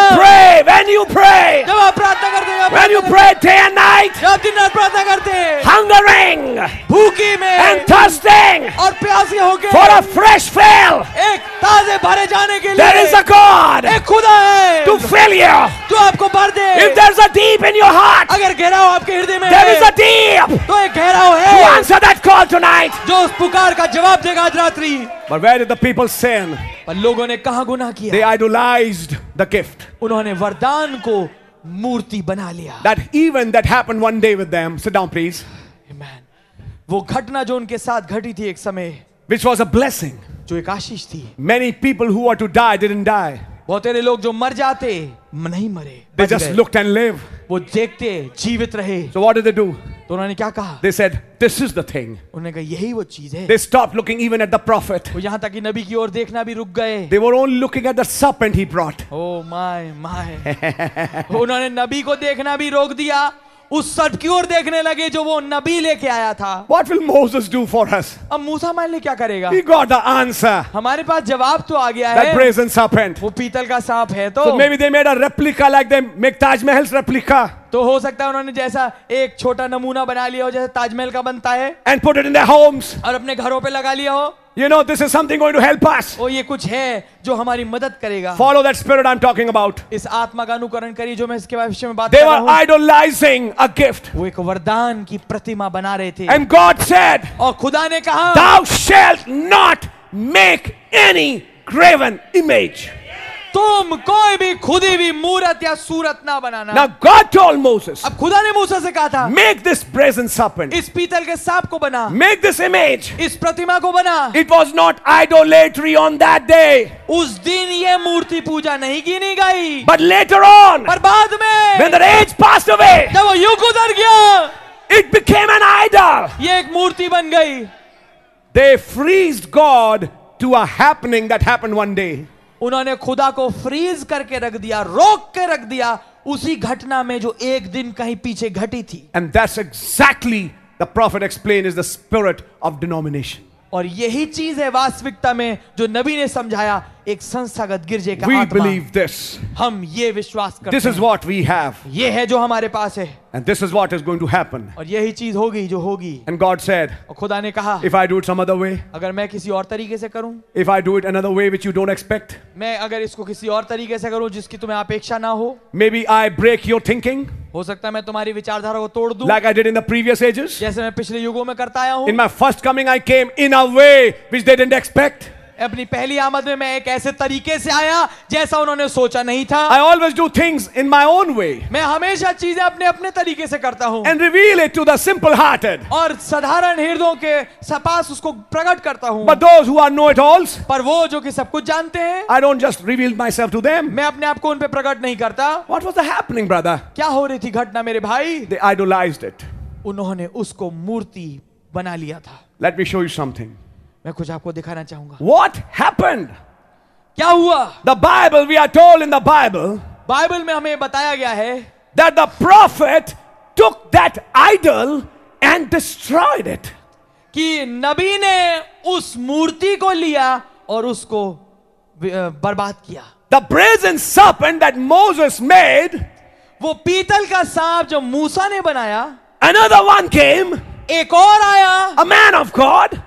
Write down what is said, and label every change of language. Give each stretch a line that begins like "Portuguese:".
English: When you pray, when you pray day and night, hungering and thirsting for a fresh fill, there is a God to fill you. If there's a deep in your heart, there is a deep to answer that call tonight. But where did the people sin?
Hindi: पर लोगों ने कहां गुनाह किया?
English: They idolized the gift.
Hindi: उन्होंने वरदान को मूर्ति बना लिया.
English: That even that happened one day with them. Sit down, please. Amen.
Hindi: वो घटना जो उनके साथ घटी थी एक समय.
English: Which was a blessing.
Hindi: जो एक आशीष थी.
English: Many people who were to die didn't die.
Hindi: बहुत सारे लोग जो मर जाते नहीं मरे.
English: They just looked and live.
Hindi: वो देखते जीवित रहे.
English: So what did they do?
Hindi: तो उन्होंने क्या कहा?
English: They said, this is the thing.
Hindi: उन्होंने कहा यही वो चीज़ है.
English: They stopped looking even at the prophet.
Hindi: वो यहाँ तक कि नबी की ओर देखना भी रुक गए.
English: They were only looking at the serpent he brought. Oh my, my.
Hindi: उन्होंने नबी को देखना भी रोक दिया. उस सट की ओर देखने लगे जो वो नबी लेके आया था.
English: What will Moses do for us?
Hindi: अब मूसा हमारे लिए क्या करेगा?
English: He got the answer.
Hindi: हमारे पास जवाब तो आ गया
English: है. That brazen serpent.
Hindi: वो पीतल का सांप है तो.
English: So maybe they made a replica like they make Taj Mahal's replica.
Hindi: तो हो सकता है उन्होंने जैसा एक छोटा नमूना बना लिया हो जैसे ताजमहल का बनता है.
English: And put it in their homes.
Hindi: और अपने घरों पे लगा लिया हो.
English: You know this is something going to help us.
Hindi: ओ ये कुछ है जो हमारी मदद करेगा.
English: Follow that spirit I'm talking about.
Hindi: इस आत्मा का अनुकरण करिए जो मैं इसके भविष्य में बात कर रहा हूं.
English: They were idolizing a gift.
Hindi: वो एक वरदान की प्रतिमा बना रहे थे.
English: And God said.
Hindi: और खुदा ने कहा.
English: Thou shalt not make any graven image.
Hindi: तुम कोई भी खुदी भी मूरत या सूरत ना बनाना.
English: Now God told Moses.
Hindi: अब खुदा ने मूसा से कहा था.
English: Make this brazen serpent.
Hindi: इस पीतल के सांप को बना.
English: Make this image.
Hindi: इस प्रतिमा को बना.
English: It was not idolatry on that day.
Hindi: उस दिन ये मूर्ति पूजा नहीं की नहीं गई.
English: But later on.
Hindi: पर बाद में.
English: When the age passed away.
Hindi: जब वो युग गुजर गया.
English: It became an idol.
Hindi: ये एक मूर्ति बन गई.
English: They freezed God to a happening that happened one day.
Hindi: उन्होंने खुदा को फ्रीज करके रख दिया, रोक के रख दिया उसी घटना में जो एक दिन कहीं पीछे घटी थी.
English: And that's exactly the prophet explain is the spirit of denomination.
Hindi: और यही चीज है वास्तविकता में जो नबी ने समझाया एक संस्थागत गिरजे का.
English: We believe this.
Hindi: हम ये विश्वास करते हैं.
English: This is what we have.
Hindi: ये है जो हमारे पास है.
English: And this is what is going to happen.
Hindi: और यही चीज होगी जो होगी.
English: And God said.
Hindi: और खुदा ने कहा.
English: If I do it some other way.
Hindi: अगर मैं किसी और तरीके से करूं.
English: If I do it another way which you don't expect.
Hindi: मैं अगर इसको किसी और तरीके से करूं जिसकी तुम्हें अपेक्षा ना हो.
English: Maybe I break your thinking.
Hindi: हो सकता है मैं तुम्हारी विचारधारा को तोड़ दूं.
English: Like I did in the previous ages.
Hindi: जैसे मैं पिछले युगों में करता आया हूं.
English: In my first coming, I came in a way which they didn't expect.
Hindi: अपनी पहली आमद में मैं एक ऐसे तरीके से आया जैसा उन्होंने सोचा नहीं था.
English: I always do things in my own way.
Hindi: मैं हमेशा चीजें अपने अपने तरीके से करता हूँ.
English: And reveal it to the simple hearted.
Hindi: और साधारण हृदयों के सपास उसको प्रकट करता हूँ.
English: But those who are know-it-alls.
Hindi: पर वो जो कि सब कुछ जानते हैं.
English: I don't just reveal myself to them.
Hindi: मैं अपने आप को उन पे प्रकट नहीं करता.
English: What was the happening, brother?
Hindi: क्या हो रही थी घटना मेरे भाई?
English: They idolized it.
Hindi: उन्होंने उसको मूर्ति बना लिया था.
English: Let me show you something.
Hindi: मैं कुछ आपको दिखाना चाहूंगा.
English: What happened?
Hindi: क्या हुआ?
English: The Bible, we are told in the Bible.
Hindi: Bible में हमें बताया गया है.
English: That the prophet took that idol and destroyed it.
Hindi: कि नबी ने उस मूर्ति को लिया और उसको बर्बाद किया.
English: The brazen serpent that Moses made,
Hindi: वो पीतल का सांप जो मूसा ने बनाया,
English: another one came,
Hindi: एक और आया,
English: a man of God,